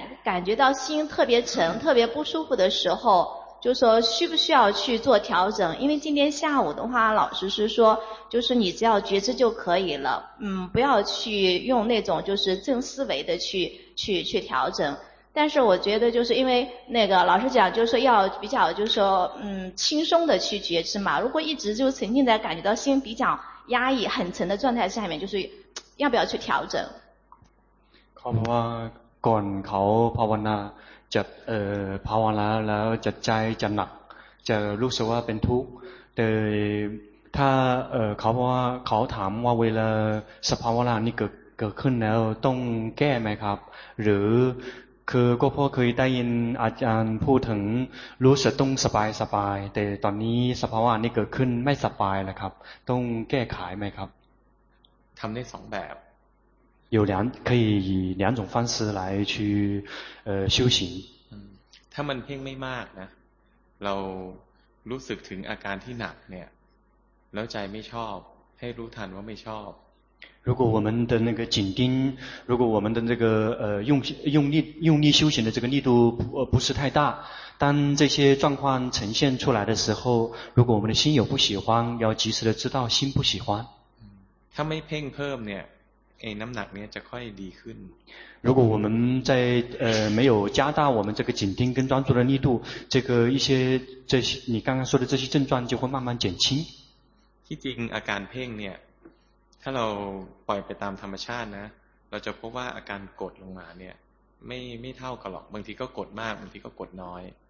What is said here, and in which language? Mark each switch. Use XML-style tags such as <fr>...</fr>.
<zh>感觉到心特别沉特别不舒服的时候就是说需不需要去做调整因为今天下午的话老师是说就是你只要觉知就可以了不要去用那种就是正思维的去调整但是我觉得就是因为那个老师讲就是要比较就是说轻松的去觉知嘛，如果一直就沉浸在感觉到心比较压抑很沉的状态下面，就是要不要去调整。</zh> <th>เพราะว่าก่อนเขาภาวนาจะภาวนาแล้วจะใจจะหนักจะรู้สึกว่าเป็นทุกข์แต่ถ้าเขาว่าเขาถามว่าเวลาสภาวะนี้เกิดขึ้นแล้วต้องแก้ไหมครับหรือคือก็พอเคยได้ยินอาจารย์พูดถึงรู้สึกต้องสบายแต่ตอนนี้สภาวะนี้เกิดขึ้นไม่สบายแล้วครับต้องแก้ไขไหมครับ ทำได้สองแบบ</th> <zh>有两可以以两种方式来去修行。</zh> <th>ถ้ามันเพ่งไม่มากนะเรารู้สึกถึงอาการที่หนักเนี่ยแล้วใจไม่ชอบให้รู้ทันว่าไม่ชอบ</th> <zh>如果我们的那个紧盯如果我们的那个用力修行的这个力度不是太大当这些状况呈现出来的时候如果我们的心有不喜欢要及时的知道心不喜欢</zh> <th>ถ้าไม่เพ่งเพิ่มเนี่ยน้ำหนักเนี่ยจะค่อยดีขึ้น</th> <zh>如果我们在没有加大我们这个紧盯跟专注的力度这个一些这些你刚刚说的这些症状就会慢慢减轻</zh> <th>ที่จริงอาการเพ่งเนี่ยถ้าเราปล่อยไปตามธรรมชาตินะเราจะพบว่าอาการกดลงมาเนี่ยไม่เท่ากันหรอกบางทีก็กดมากบางทีก็กดน้อย</th>